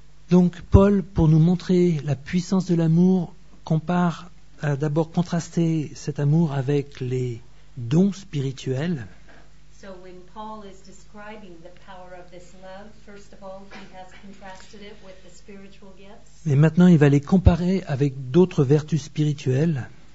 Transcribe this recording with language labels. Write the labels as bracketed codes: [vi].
[fr] Donc Paul, pour nous montrer la puissance de l'amour, compare d'abord contraster cet amour avec les dons spirituels. [en] So when Paul is describing the power of this love, first of all, he has contrasted it with the spiritual gifts. [fr] Mais maintenant, il va les comparer avec d'autres vertus spirituelles.